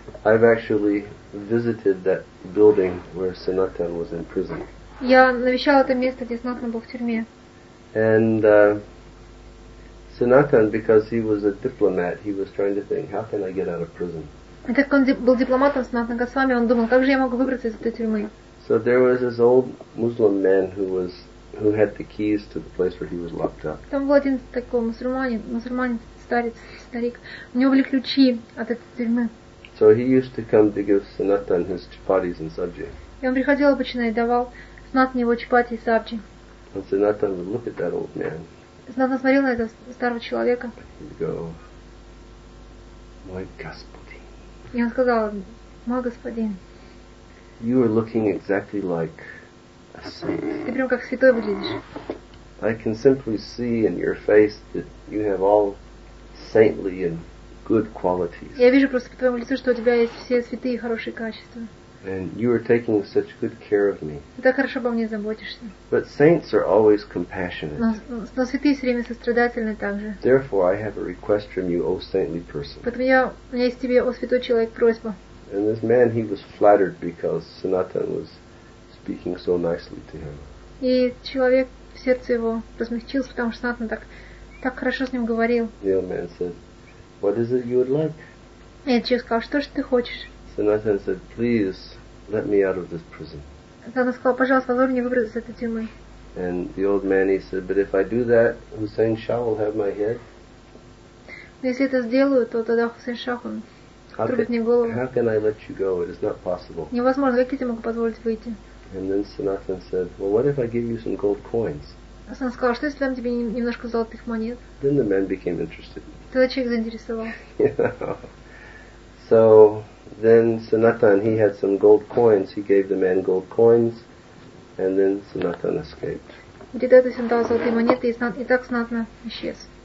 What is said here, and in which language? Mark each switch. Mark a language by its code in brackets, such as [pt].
[en] I've actually visited that building where Sanatan was in prison. [ru] Я навещал это место, где Sanatan был в тюрьме. [en] And Sanatan, because he was a diplomat, he was trying to think, how can I get out of prison? [ru] И так он был дипломатом, Sanatan Goswami, он думал, как же я могу выбраться из этой тюрьмы? [en] So there was this old Muslim man who had the keys to the place where he was locked up. [ru] Там был один такой мусульманин. Старик. У него были ключи от этой тюрьмы. [en] So he used to come to give Sanatan his chapatis and sabji. [ru] И он приходил обычно и давал Sanatan его чапати и сабджи. [en] And Sanatan would look at that old man. [ru] Sanatan смотрел на этого старого человека. [en] He'd go, my [ru] господин. И он сказал, мой господин. [en] You are looking exactly like a saint. [ru] Ты прям как святой выглядишь. [en] I can simply see in your face that you have all saintly and good qualities. [ru] Я вижу просто по твоему лицу, что у тебя есть все святые и хорошие качества. [en] And you are taking such good care of me. [ru] Ты так хорошо обо мне заботишься. [en] But saints are always compassionate. [ru] Но святые все время сострадательны также. [en] Therefore, I have a request from you, O saintly person. [ru] Поэтому у меня есть тебе, о святой человек, просьба. [en] And this man, he was flattered because Sanatan was speaking so nicely to him. [ru] И человек в сердце его размягчился, потому что Sanatan так хорошо с ним говорил. [en] The old man said, what is it you would like? [ru] И человек сказал, что же ты хочешь? [en] Sanatan said, please let me out of this prison. [ru] Sanatan сказал, пожалуйста, позволь мне выбраться из этой тюрьмы. [en] And the old man, he said, but if I do that, Hussein Shah will have my head. [ru] Но если это сделаю, то тогда Хусейн Шах, он отрубит мне голову. [en] How can I let you go? It is not possible. [ru] Невозможно, как я тебе могу позволить выйти? [en] And then Sanatan said, well, what if I give you some gold coins? [ru] Он сказал, что если дам тебе немножко золотых монет? [en] Then the man became interested. [ru] Тогда человек заинтересовался. [en] You know. So then Sanatan, he had some gold coins. He gave the man gold coins, and then Sanatan escaped. [ru] Где-то ты сам дал золотые монеты, и так Sanatan исчез.